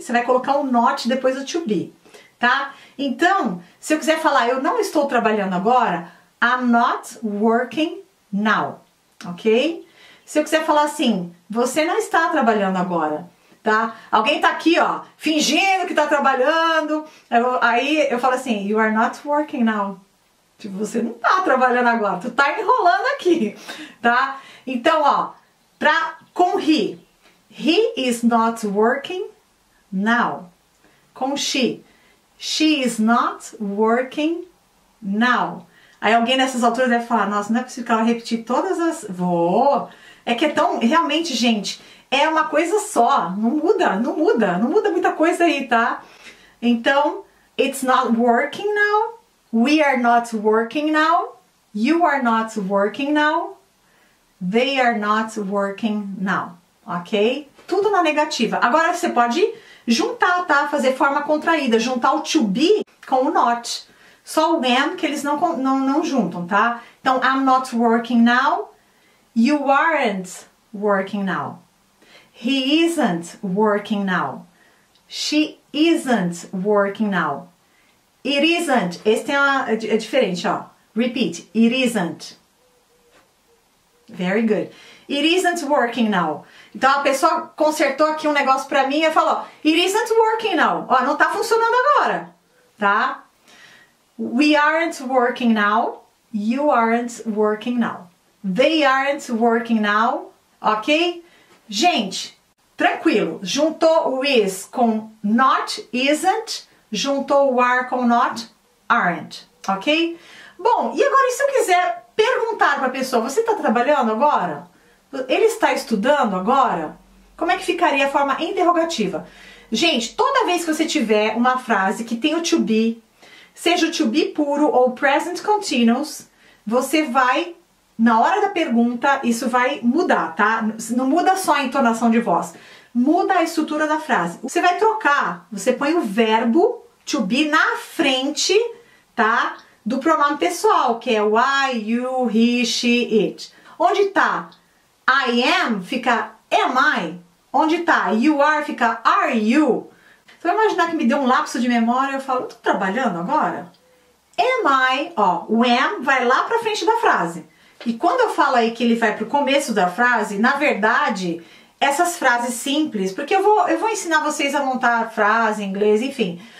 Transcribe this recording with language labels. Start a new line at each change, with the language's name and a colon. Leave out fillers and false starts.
Portuguese: Você vai colocar um not depois do to be, tá? Então, se eu quiser falar eu não estou trabalhando agora,
English: I'm not working now,
Portuguese: ok? Se eu quiser falar assim, você não está trabalhando agora, tá? Alguém tá aqui, ó, fingindo que tá trabalhando, aí eu falo assim,
English: you are not working now.
Portuguese: Tipo, você não tá trabalhando agora, tu tá enrolando aqui, tá? Então, ó, pra com
English: he is not working now.
Portuguese: Com
English: she is not working now.
Portuguese: Aí alguém nessas alturas deve falar, nossa, não é possível que ela repetir todas as... Vou! É que é tão... Realmente, gente, é uma coisa só. Não muda muita coisa aí, tá? Então,
English: it's not working now. We are not working now. You are not working now. They are not working now.
Portuguese: Ok? Tudo na negativa. Agora você pode juntar, tá? Fazer forma contraída. Juntar o to be com o not. Só o am que eles não juntam, tá? Então,
English: I'm not working now. You aren't working now. He isn't working now. She isn't working now. It isn't.
Portuguese: Esse tem é diferente, ó.
English: Repeat. It isn't. Very good. It isn't working now.
Portuguese: Então, a pessoa consertou aqui um negócio pra mim e falou,
English: it isn't working now.
Portuguese: Ó, não tá funcionando agora, tá?
English: We aren't working now. You aren't working now. They aren't working now. Ok?
Portuguese: Gente, tranquilo. Juntou o is com not, isn't. Juntou o are com not, aren't. Ok? Bom, e agora, e se eu quiser perguntar para a pessoa, você está trabalhando agora? Ele está estudando agora? Como é que ficaria a forma interrogativa? Gente, toda vez que você tiver uma frase que tem o to be, seja o to be puro ou present continuous, você vai, na hora da pergunta, isso vai mudar, tá? Não muda só a entonação de voz, muda a estrutura da frase. Você vai trocar, você põe o verbo to be na frente, tá? Do pronome pessoal, que é o I, you, he, she, it. Onde tá I am, fica am I. Onde tá you are, fica are you. Então, imaginar que me deu um lapso de memória, eu falo, tô trabalhando agora? Am I, ó, o am vai lá pra frente da frase. E quando eu falo aí que ele vai pro começo da frase, na verdade, essas frases simples, porque eu vou ensinar vocês a montar frase em inglês, enfim.